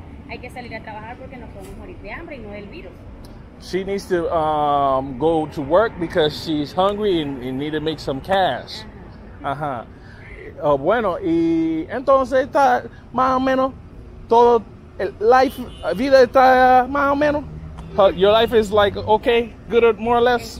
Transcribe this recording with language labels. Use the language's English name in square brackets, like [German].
[Spanish] Hay que salir a trabajar porque nos podemos morir de hambre y no del virus. [English] She needs to go to work because she's hungry and need to make some cash. Ajá. Uh-huh. [Spanish] Bueno, y entonces está más o menos todo el life, vida está más o menos. [English] Your life is like okay, good or more or less.